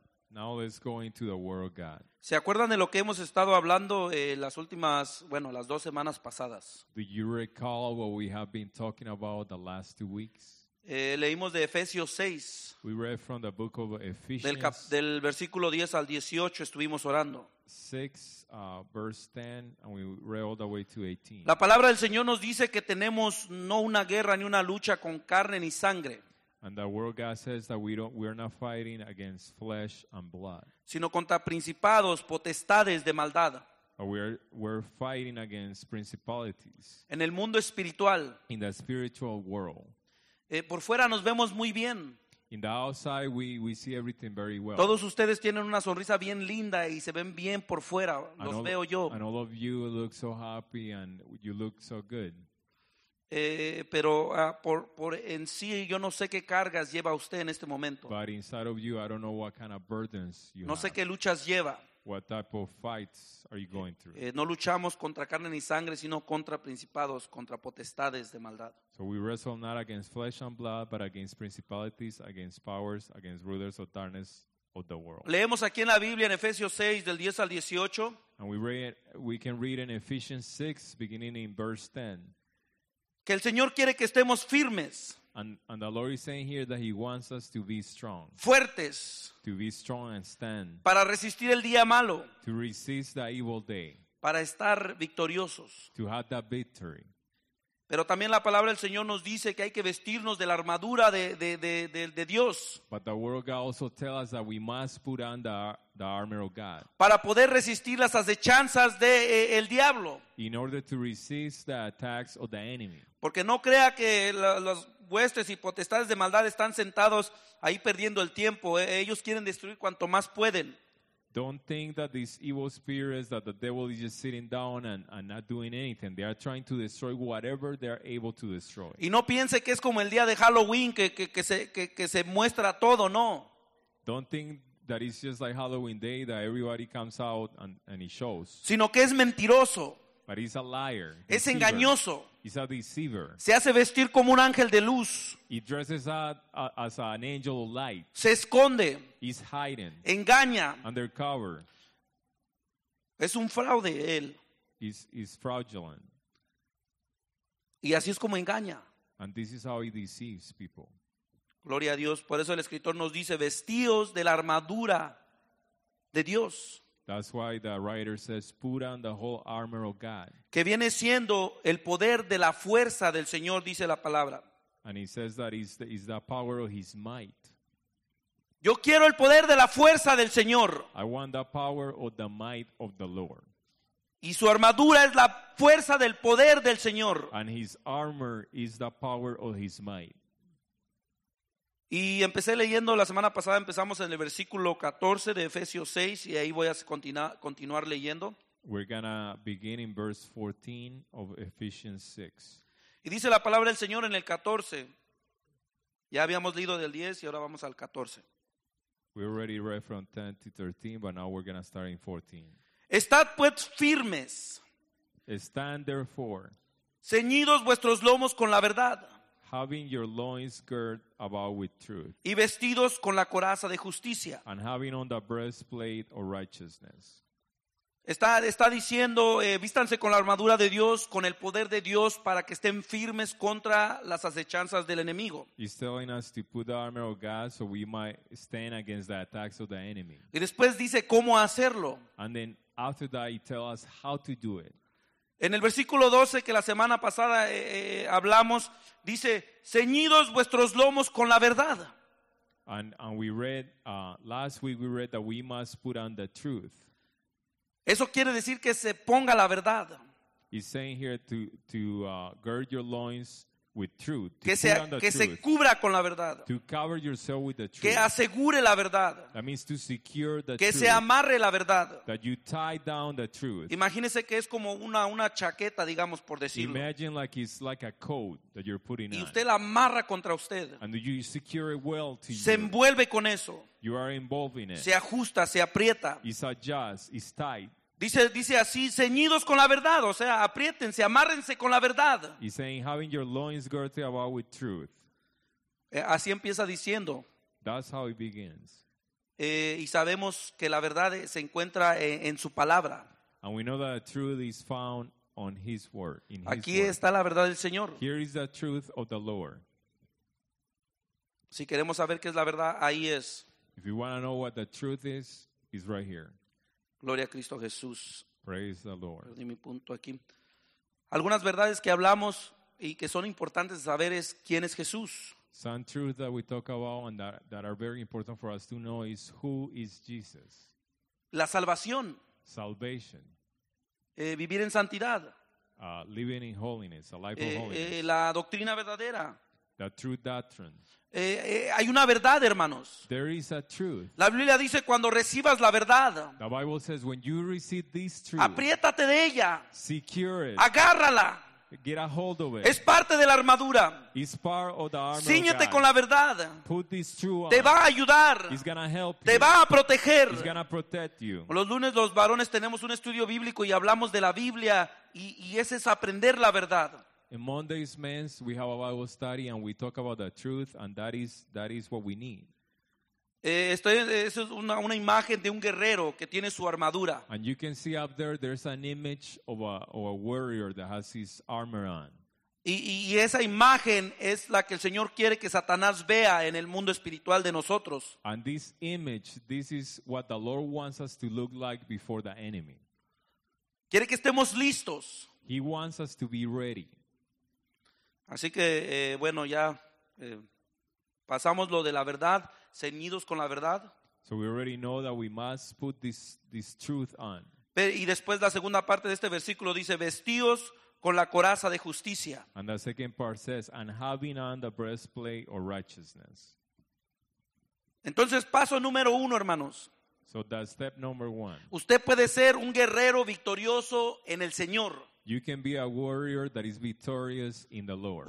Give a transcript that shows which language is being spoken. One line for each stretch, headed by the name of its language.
English: Now let's go into the word of God.
Spanish: ¿Se acuerdan de lo que hemos estado hablando las últimas, bueno, las dos semanas pasadas?
English: Do you recall what we have been talking about the last 2 weeks?
Spanish: Leímos de Efesios 6.
English: We read from the book of Ephesians.
Spanish: Del versículo 10 al 18 estuvimos orando.
English: 6, verse 10, and we read all the way to 18.
Spanish: La palabra del Señor nos dice que tenemos no una guerra ni una lucha con carne ni sangre.
English: And the word God says that we're not fighting against flesh and blood.
Spanish: Sino contra principados, potestades de maldad.
English: We're fighting against principalities.
Spanish: En el mundo espiritual.
English: In the spiritual world.
Spanish: Por fuera nos vemos muy bien.
English: In the outside we see everything very well.
Spanish: Todos ustedes tienen una sonrisa bien linda y se ven bien por fuera. Los veo yo.
English: And all of you look so happy and you look so good.
Spanish: Pero por en sí yo no sé qué cargas lleva usted en este momento.
English: But inside of you, I don't know what kind of burdens you
Spanish: no
English: have.
Spanish: Sé qué luchas lleva.
English: What type of fights are you going through?
Spanish: No luchamos contra carne ni sangre, sino contra principados, contra potestades de maldad.
English: So we wrestle not against flesh and blood, but against principalities, against powers, against rulers of darkness of the world.
Spanish: Leemos aquí en la Biblia en Efesios 6 del 10 al 18.
English: And we can read in Ephesians 6 beginning in verse 10.
Spanish: Que el Señor quiere que estemos firmes.
English: And the Lord is saying here that he wants us to be strong.
Spanish: Fuertes.
English: To be strong and stand.
Spanish: Para resistir el día malo.
English: To resist the evil day.
Spanish: Para estar victoriosos.
English: To have that victory.
Spanish: Pero también la palabra del Señor nos dice que hay que vestirnos de la armadura de Dios.
English: But the word of God also tells us that we must put on the armor of God.
Spanish: Para poder resistir las acechanzas de el diablo.
English: In order to resist the attacks of the enemy.
Spanish: Porque no crea que las huestes y potestades de maldad están sentados ahí perdiendo el tiempo. Ellos quieren destruir cuanto más pueden.
English: Don't think that these evil spirits, that the devil is just sitting down and not doing anything. They are trying to destroy whatever they are able to destroy.
Spanish: Y no piense que es como el día de Halloween que se muestra todo, no.
English: Don't think that it's just like Halloween day that everybody comes out and it shows.
Spanish: Sino que es mentiroso.
English: But he's a liar.
Spanish: Es engañoso.
English: He's a deceiver.
Spanish: Se hace vestir como un ángel de luz.
English: He dresses up as an angel of light.
Spanish: Se esconde.
English: He's hiding.
Spanish: Engaña.
English: Undercover.
Spanish: Es un fraude él.
English: He's fraudulent.
Spanish: Y así es como engaña.
English: And this is how he deceives people.
Spanish: Gloria a Dios. Por eso el escritor nos dice, vestíos de la armadura de Dios.
English: That's why the writer says, put on the whole armor of God.
Spanish: Que viene siendo el poder de la fuerza del Señor, dice la palabra.
English: And he says that is the power of his might.
Spanish: Yo quiero el poder de la fuerza del Señor.
English: I want the power of the might of the Lord.
Spanish: Y su armadura es la fuerza del poder del Señor.
English: And his armor is the power of his might.
Spanish: Y empecé leyendo la semana pasada, empezamos en el versículo 14 de Efesios 6 y ahí voy a continuar leyendo.
English: We're gonna begin in verse 14 of Ephesians 6.
Spanish: Y dice la palabra del Señor en el 14. Ya habíamos leído del 10 y ahora vamos al 14.
English: We already read from 10 to 13, but now we're gonna start in 14.
Spanish: Estad pues firmes.
English: Stand therefore.
Spanish: Ceñidos vuestros lomos con la verdad.
English: Having your loins girt about with truth.
Spanish: Y vestidos con la coraza de justicia.
English: And having on the breastplate of righteousness.
Spanish: Está diciendo, vístanse con la armadura de Dios, con el poder de Dios, para que estén firmes contra las acechanzas del enemigo.
English: He's telling us to put the armor of God so we might stand against the attacks of the enemy.
Spanish: Y después dice cómo hacerlo.
English: And then after that he tells us how to do it.
Spanish: En el versículo 12 que la semana pasada hablamos, dice, ceñidos vuestros lomos con la verdad.
English: And we read, last week we read that we must put on the truth.
Spanish: Eso quiere decir que se ponga la verdad.
English: He's saying here to gird your loins with truth.
Spanish: Que se cubra con la verdad.
English: To cover yourself with the truth.
Spanish: Que asegure la verdad.
English: That means to secure the
Spanish: que
English: truth.
Spanish: Que se amarre la verdad.
English: That you tie down the truth.
Spanish: Imagínese que es como una chaqueta, digamos, por decirlo.
English: Imagine like it's like a coat that you're putting on.
Spanish: Y usted la amarra contra usted.
English: And you secure it well to you.
Spanish: Se envuelve con eso.
English: You are involving it.
Spanish: Se ajusta, se aprieta.
English: It's adjusted, it's tight.
Spanish: Dice así, ceñidos con la verdad, o sea, apriétense, amárrense con la verdad.
English: He's saying, having your loins girt about with truth.
Spanish: Así empieza diciendo.
English: That's how it begins.
Spanish: Y sabemos que la verdad se encuentra en su palabra.
English: And we know that the truth is found on His word. In His
Spanish: aquí está
English: word.
Spanish: La verdad del Señor.
English: Here is the truth of the Lord.
Spanish: Si queremos saber qué es la verdad, ahí es.
English: If you want to know what the truth is, it's right here.
Spanish: Gloria a Cristo Jesús.
English: Praise the Lord.
Spanish: Perdí mi punto aquí. Algunas verdades que hablamos y que son importantes saber es quién es Jesús.
English: Some truths that we talk about and that are very important for us to know is who is Jesus.
Spanish: La salvación.
English: Salvation.
Spanish: Vivir en santidad.
English: Living in holiness, a life of holiness.
Spanish: La doctrina verdadera.
English: The true doctrine.
Spanish: Hay una verdad, hermanos.
English: There is a truth.
Spanish: La Biblia dice cuando recibas la verdad.
English: The Bible says when you receive this truth.
Spanish: Apriétate de ella.
English: Secure it.
Spanish: Agárrala.
English: Get a hold of it.
Spanish: Es parte de la armadura.
English: It's part of the armor.
Spanish: Cíñete con la verdad.
English: Put this truth on.
Spanish: Te va a ayudar.
English: It's gonna help
Spanish: te
English: you.
Spanish: Va a proteger.
English: It's gonna protect you.
Spanish: Los lunes los varones tenemos un estudio bíblico y hablamos de la Biblia y ese es aprender la verdad.
English: In Mondays, men, we have a Bible study and we talk about the truth, and that is what we need.
Spanish: Eso es una imagen de un guerrero que tiene su armadura.
English: And you can see up there, there's an image of a warrior that has his armor on.
Spanish: Y esa imagen es la que el Señor quiere que Satanás vea en el mundo espiritual de nosotros.
English: And this image, this is what the Lord wants us to look like before the enemy.
Spanish: Quiere que estemos listos.
English: He wants us to be ready.
Spanish: Así que, bueno, ya pasamos lo de la verdad, ceñidos con la verdad.
English: So we already know that we must put this truth on.
Spanish: Y después la segunda parte de este versículo dice, vestíos con la coraza de justicia.
English: And the second part says, and having on the breastplate of righteousness.
Spanish: Entonces, paso número uno, hermanos.
English: So that's step number one.
Spanish: Usted puede ser un guerrero victorioso en el Señor.
English: You can be a warrior that is victorious in the Lord.